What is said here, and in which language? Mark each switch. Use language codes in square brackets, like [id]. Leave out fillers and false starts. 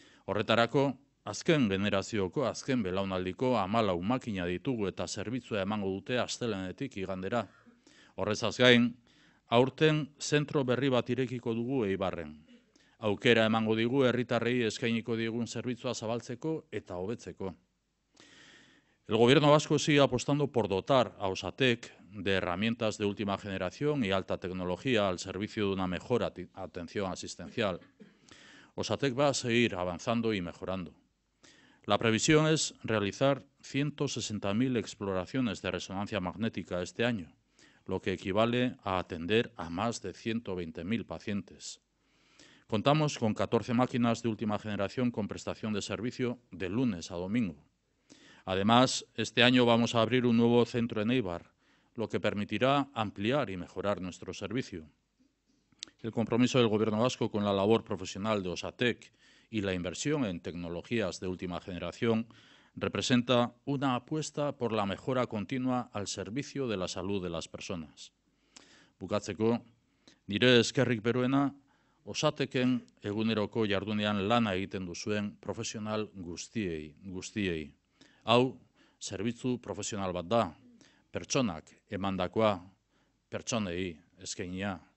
[eu] Horretarako, azken generazioko, azken belaunaldiko, 14 makina ditugu eta zerbitzua emango dute astelenetik igandera. Horrezaz gain, Aurten zentro berri bat irekiko dugu Eibarren. Aukera emango digu herritarrei eskainiko digun zerbitzua zabaltzeko eta hobetzeko. [es] El gobierno vasco sigue apostando por dotar a Osatek de herramientas de última generación y alta tecnología al servicio de una mejor atención asistencial. Osatek va a seguir avanzando y mejorando. La previsión es realizar 160.000 exploraciones de resonancia magnética este año, lo que equivale a atender a más de 120.000 pacientes. Contamos con 14 máquinas de última generación con prestación de servicio de lunes a domingo. Además, este año vamos a abrir un nuevo centro en Eibar, lo que permitirá ampliar y mejorar nuestro servicio. El compromiso del Gobierno vasco con la labor profesional de Osatek y la inversión en tecnologías de última generación representa una apuesta por la mejora continua al servicio de la salud de las personas. [eu] Bukatzeko, nire eskerrik beruena, Osateken eguneroko jardunean lana egiten duzuen profesional guztiei. Hau, zerbitzu profesional bat da, pertsonak emandakoa, pertsonei eskainia.